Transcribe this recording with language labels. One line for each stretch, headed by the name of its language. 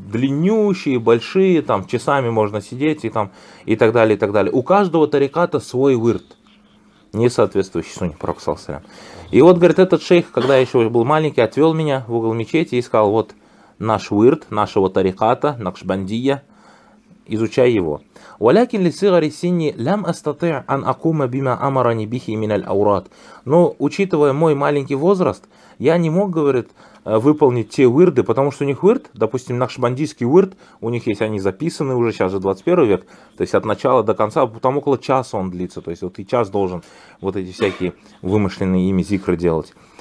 Russian: Длиннющие, большие, там, часами можно сидеть и, там, и так далее, и так далее. У каждого тариката свой уирд, не соответствующий сунне православием. И вот, говорит, этот шейх, когда я еще был маленький, отвел меня в угол мечети и сказал, вот наш уирд, нашего тариката, Накшбандия, изучай его.
Arabic: ولكن لصغر سني لم أستطع أن أقوم بما أمرني به من الأوراد.
Russian: Но учитывая мой маленький возраст, я не мог, говорит, выполнить те уирды, потому что у них уирд, допустим, накшбандийский уирд, у них есть, они записаны уже сейчас же 21 век, то есть от начала до конца, там около часа он длится, то есть вот и час должен вот эти всякие вымышленные ими зикры делать.